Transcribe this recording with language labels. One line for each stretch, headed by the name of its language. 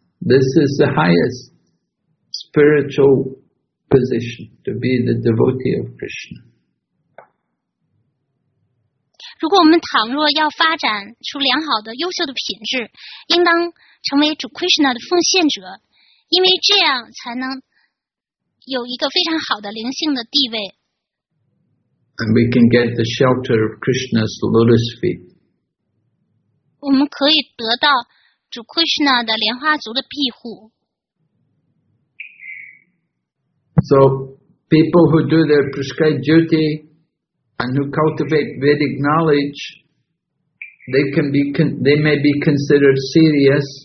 English: This is the highest spiritual position, to be the devotee of Krishna.
Chinese: 如果我们倘若要发展出良好的、优秀的品质，应当成为主 Krishna 的奉献者，因为这样才能有一个非常好的灵性的地位。
English: And we can get the shelter of Krishna's lotus feet.
Chinese: 我们可以得到主 Krishna 的莲花足的庇护。
English: So people who do their prescribed duty and who cultivate Vedic knowledge, they may be considered serious.